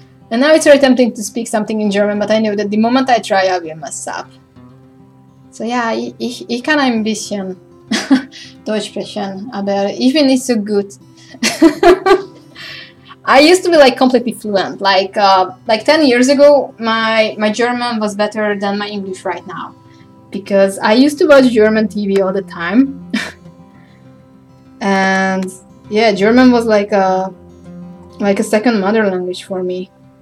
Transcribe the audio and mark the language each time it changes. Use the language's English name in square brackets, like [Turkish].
[English] And now it's very tempting to speak something in German, but I know that the moment I try, I will mess up. So yeah, [German] ich kann ein bisschen Deutsch sprechen, aber ich bin nicht so gut. [English] I used to be like completely fluent, like 10 years ago, my German was better than my English right now, because I used to watch German TV all the time. And yeah, German was like a second mother language for me.